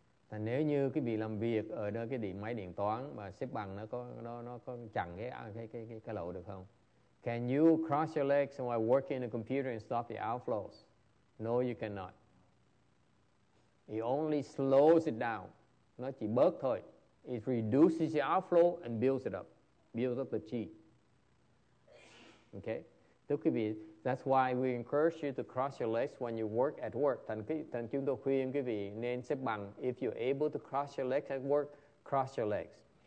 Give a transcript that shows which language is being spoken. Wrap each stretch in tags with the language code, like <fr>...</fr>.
<vi>Là nếu như cái bị làm việc ở nơi cái điện máy điện toán mà xếp bằng nó có chặn cái lậu được không?</vi> <en>Can you cross your legs while working the computer and stop the outflows? No, you cannot. It only slows it down.</en> <vi>Nó chỉ bớt thôi.</vi> <en>It reduces the outflow and builds it up. Builds up the chi. Okay?</en> <vi>Thưa quý vị,</vi> <en>that's why we encourage you to cross your legs when you work at work.</en> <vi>Thành chúng tôi khuyên quý vị nên xếp bằng.</vi> <en>If you're able to cross your legs at work, cross your legs.</en>